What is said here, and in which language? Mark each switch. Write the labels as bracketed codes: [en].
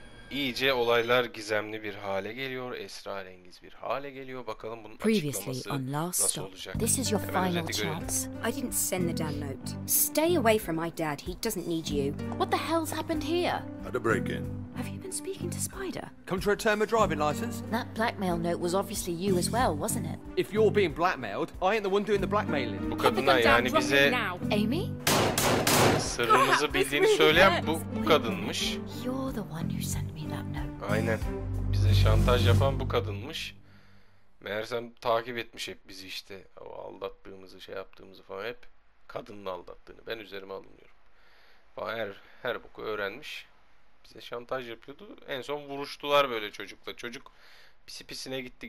[tr] İyice olaylar gizemli bir hale geliyor, esrarengiz bir hale geliyor. Bakalım bunun Previously açıklaması nasıl olacak? [en] This is your final chance. I didn't send the damn note. Stay away from my dad. He doesn't need you. What the hell's happened here? Had a break-in. Have you been speaking to Spider? Come to return my driving license? That blackmail note was obviously you as well, wasn't it? If you're being blackmailed, I ain't the one doing the blackmailing. [tr] Bu kadına yani bize... Amy? Sırrımızı bildiğini söyleyen bu kadınmış. [en] You're the one who sent me that note. [tr] Aynen. Bize şantaj yapan bu kadınmış. Meğersem takip etmiş hep bizi işte. O aldattığımızı, şey yaptığımızı falan hep. Kadının aldattığını. Ben üzerime alınıyorum. Falan her boku öğrenmiş. Bize şantaj yapıyordu. En son vuruştular böyle çocukla. Çocuk pisi pisine gitti.